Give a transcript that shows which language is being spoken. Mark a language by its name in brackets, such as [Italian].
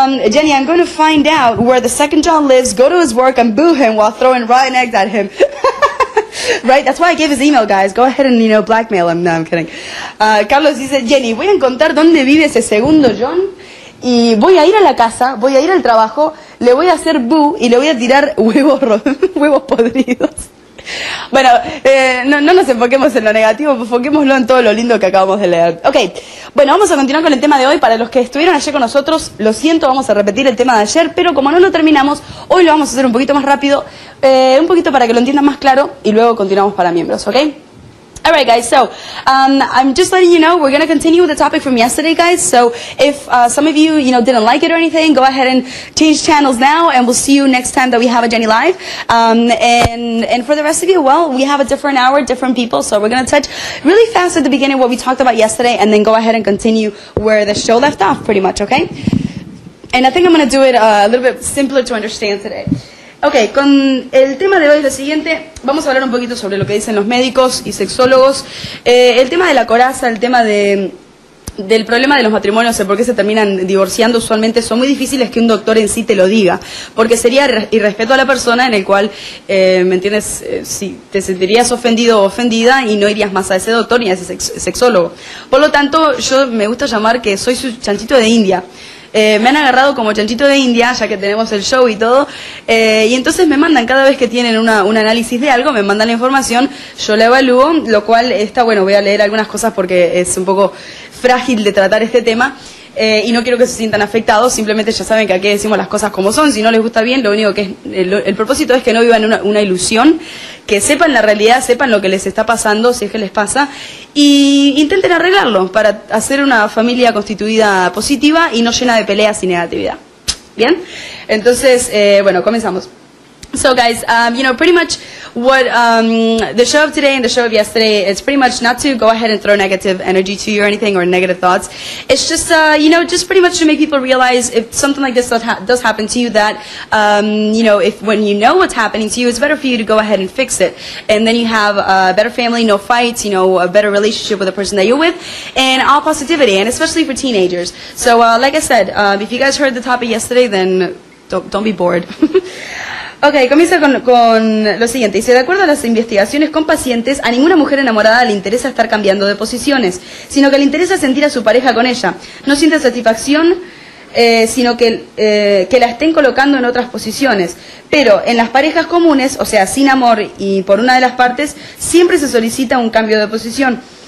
[English] Jenny, I'm going to find out where the second John lives, go to his work and boo him while throwing rotten eggs at him. Right, that's why I gave his email, guys. Go ahead and, you know, blackmail him. No, I'm kidding. [Spanish] Carlos dice, Jenny, voy a encontrar dónde vive ese segundo John y voy a ir a la casa, voy a ir al trabajo, le voy a hacer boo y le voy a tirar huevos podridos. Bueno, no nos enfoquemos en lo negativo, enfoquémoslo en todo lo lindo que acabamos de leer. Ok, bueno, vamos a continuar con el tema de hoy. Para los que estuvieron ayer con nosotros, lo siento, vamos a repetir el tema de ayer, pero como no lo terminamos, hoy lo vamos a hacer un poquito más rápido, un poquito para que lo entiendan más claro, y luego continuamos para miembros, ¿ok? [English] All right, guys, so I'm just letting you know we're going to continue with the topic from yesterday, guys. So if some of you, you know, didn't like it or anything, go ahead and change channels now, and we'll see you next time that we have a Jenny Live. And for the rest of you, well, we have a different hour, different people, so we're going to touch really fast at the beginning what we talked about yesterday and then go ahead and continue where the show left off pretty much, okay? And I think I'm going to do it a little bit simpler to understand today. [Spanish] Ok, con el tema de hoy es lo siguiente, vamos a hablar un poquito sobre lo que dicen los médicos y sexólogos, el tema de la coraza, el tema del problema de los matrimonios, el por qué se terminan divorciando usualmente, son muy difíciles que un doctor en sí te lo diga, porque sería irrespeto a la persona en el cual, ¿me entiendes?, si te sentirías ofendido o ofendida y no irías más a ese doctor ni a ese sexólogo. Por lo tanto, yo me gusta llamar que soy su chanchito de India. Me han agarrado como chanchito de India, ya que tenemos el show y todo, y entonces me mandan, cada vez que tienen un análisis de algo, me mandan la información, yo la evalúo, lo cual está bueno, voy a leer algunas cosas porque es un poco frágil de tratar este tema. Y no quiero que se sientan afectados, simplemente ya saben que aquí decimos las cosas como son. Si no les gusta bien, lo único que es, el propósito es que no vivan una ilusión, que sepan la realidad, sepan lo que les está pasando, si es que les pasa, y intenten arreglarlo para hacer una familia constituida positiva y no llena de peleas y negatividad. ¿Bien? Entonces, bueno, comenzamos. [English] So guys, you know, pretty much what the show of today and the show of yesterday is pretty much not to go ahead and throw negative energy to you or anything or negative thoughts. It's just, you know, just pretty much to make people realize if something like this does happen to you that, you know, if when you know what's happening to you, it's better for you to go ahead and fix it. And then you have a better family, no fights, you know, a better relationship with the person that you're with and all positivity, and especially for teenagers. So like I said, if you guys heard the topic yesterday, then don't be bored. [Spanish] Ok, comienza con lo siguiente. Dice, de acuerdo a las investigaciones con pacientes, a ninguna mujer enamorada le interesa estar cambiando de posiciones, sino que le interesa sentir a su pareja con ella. No siente satisfacción, sino que la estén colocando en otras posiciones. Pero en las parejas comunes, o sea, sin amor y por una de las partes, siempre se solicita un cambio de posición.